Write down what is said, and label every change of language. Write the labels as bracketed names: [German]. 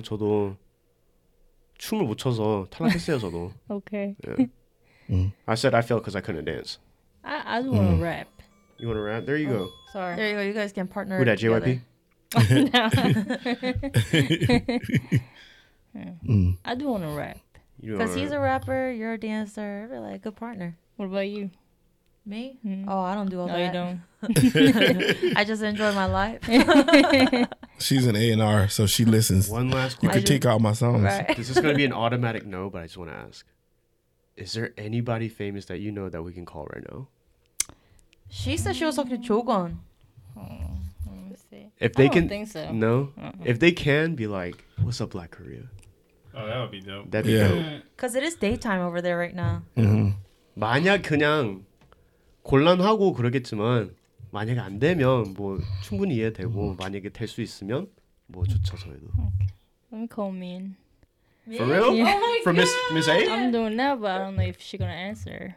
[Korean] 저도 춤을 못 춰서 탈락했어요, 저도. [English] Okay. Yeah. I said I failed because I couldn't dance. I just want to rap. You want to rap? There you go. Sorry. There you go. You guys can partner. Who that, JYP? Oh, no. I do want to rap. Because he's a rapper, you're a dancer. We're like a good partner. What about you? Me? Mm-hmm. Oh, I don't do all no, that. No, you don't. I just enjoy my life. She's an A&R, so she listens. One last question. You could take out my songs. Right. This is going to be an automatic no, but I just want to ask. Is there anybody famous that you know that we can call right now? She said she was talking to Jogon. Let me see. If they I don't can, think so. No? Uh-uh. If they can, be like, what's up, Black Korea? Oh, that would be dope. That'd be dope. Because it is daytime over there right now. Mm-hmm. [Korean] 만약 그냥 곤란하고 그러겠지만 만약 안 되면 뭐 충분히 이해되고 만약에 될 수 있으면 뭐 좋죠, 저희도. [English] Okay. Let me call Min. For real? Yeah. Oh my for God. Miss A? I'm doing that, but I don't know if she's going to answer.